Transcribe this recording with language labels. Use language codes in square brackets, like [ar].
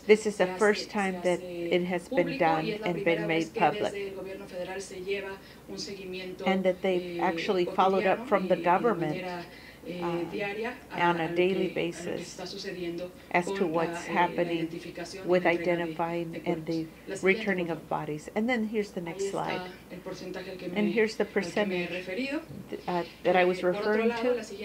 [en] this is the first time that it has been done and been made public. [es] Desde el gobierno federal se lleva un seguimiento, [en] and that they've actually followed up from the government. On a daily basis as to what's happening with identifying and the returning of bodies. And then here's the next slide. And here's the percentage that I was referring to.